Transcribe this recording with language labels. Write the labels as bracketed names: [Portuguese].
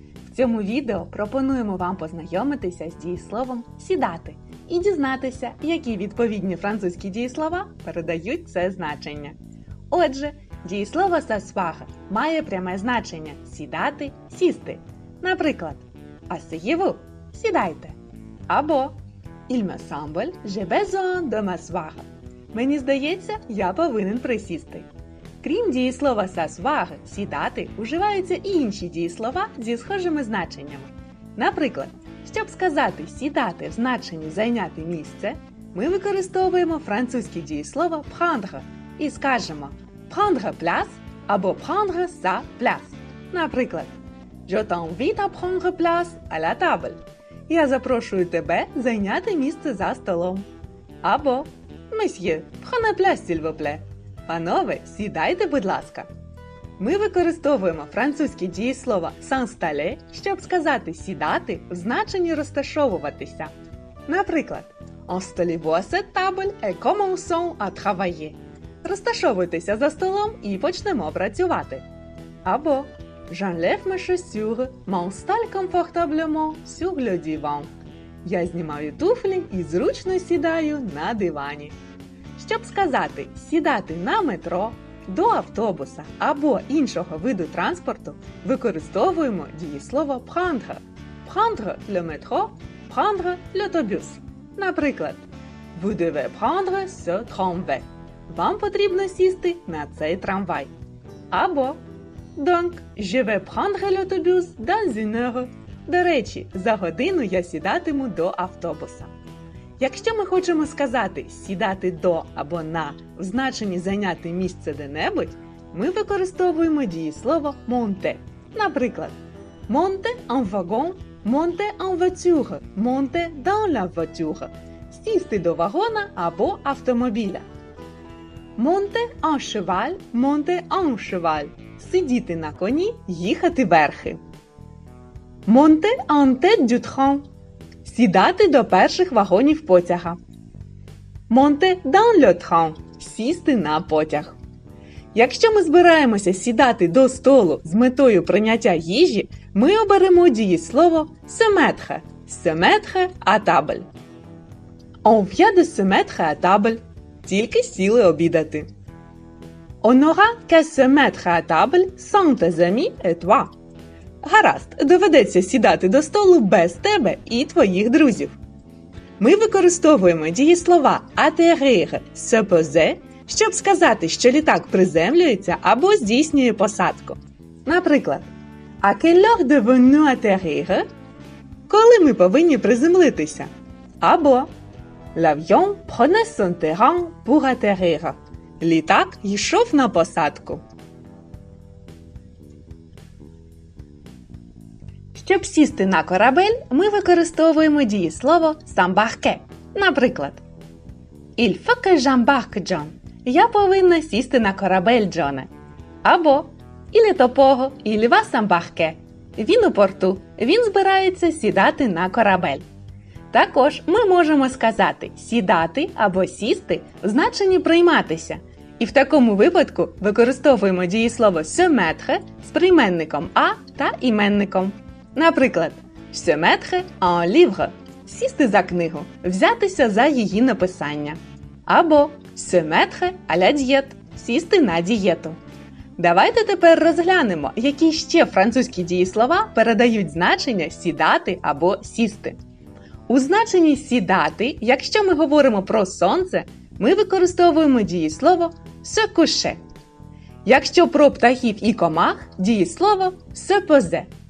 [Ukrainian] В цьому відео пропонуємо вам познайомитися з дієсловом «сідати» і дізнатися, які відповідні французькі дієслова передають це значення. Отже, дієслово «s'asseoir» має пряме значення «сідати», «сісти». Наприклад, «asseyez-vous» – «сідайте». [French] Або «il me semble, j'ai besoin de m'asseoir». [Ukrainian] Мені здається, я повинен присісти. Крім дієслова «s'asseoir» – «сідати», вживаються і інші дієслова зі схожими значеннями. Наприклад, щоб сказати «сідати» в значенні «зайняти місце», ми використовуємо французьке дієслово «prendre» і скажемо «prendre place» або «prendre sa place». [French] Наприклад, «Je t'invite à prendre place à la table». [Ukrainian] «Я запрошую тебе зайняти місце за столом». [French] Або «Месьє, prenez place, s'il vous plaît». [Ukrainian] «Панове, сідайте, будь ласка». Ми використовуємо французьке дієслово «s'installer», щоб сказати «сідати» в значенні «розташовуватися». [French] Наприклад, «Installez-vous à cette table et commençons à travailler». [Ukrainian] «Розташовуйтеся за столом і почнемо працювати». [French] Або «J'enlève mes chaussures, m'installe confortablement sur le divan». [Ukrainian] «Я знімаю туфлі і зручно сідаю на дивані». Щоб сказати «сідати на метро», «до автобуса» або іншого виду транспорту, використовуємо дієслово «prendre». [French] «Prendre le métro», «prendre l'autobus». Наприклад, «Vous devez prendre ce tramway». [Ukrainian] «Вам потрібно сісти на цей трамвай». [French] Або «Donc, je vais prendre l'autobus dans une heure». [Ukrainian] До речі, за годину я сідатиму до автобуса. Якщо ми хочемо сказати «сідати до» або «на» в значенні «зайняти місце де-небудь», ми використовуємо дієслово «monter». [French] Наприклад, «monter en wagon», «monter en voiture», «monter dans la voiture» – [Ukrainian] «сісти до вагона або автомобіля». [French] «Monter en cheval», «monter en cheval» – [Ukrainian] «сидіти на коні, їхати верхи». [French] «Monter en tête du train» – [Ukrainian] «сідати до перших вагонів потяга». [French] «Monter dans le train» – [Ukrainian] «сісти на потяг». Якщо ми збираємося сідати до столу з метою прийняття їжі, ми оберемо дієслово «se mettre» – [French] «se mettre à table». «On vient de se mettre à table» – [Ukrainian] «тільки сіли обідати». [French] «On n'aura qu'à se mettre à table sans tes amis et toi». [Ukrainian] Гаразд, доведеться сідати до столу без тебе і твоїх друзів. Ми використовуємо дієслова «atterrir», «se poser», щоб сказати, що літак приземлюється або здійснює посадку. [French] Наприклад, «À quelle heure devons-nous atterrir?» [Ukrainian] – «Коли ми повинні приземлитися?» [French] Або «L'avion prenait son terrain pour atterrir» – [Ukrainian] «Літак йшов на посадку». Щоб сісти на корабель, ми використовуємо дієслово «s'embarquer». [French] Наприклад, «Il faut que j'embarque, John». [Ukrainian] «Я повинна сісти на корабель, Джоне». [French] Або «Il est au port, il va s'embarquer». [Ukrainian] «Він у порту, він збирається сідати на корабель». Також ми можемо сказати «сідати» або «сісти» в значенні «прийматися». І в такому випадку використовуємо дієслово «se mettre» з прийменником «а» та іменником. Наприклад, [French] «se mettre en livre» [Ukrainian] – «сісти за книгу», «взятися за її написання». [French] Або «se mettre à la diète» – [Ukrainian] «сісти на дієту». Давайте тепер розглянемо, які ще французькі дієслова передають значення «сідати» або «сісти». У значенні «сідати», якщо ми говоримо про сонце, ми використовуємо дієслово «se coucher». Якщо про птахів і комах – дієслово «se poser».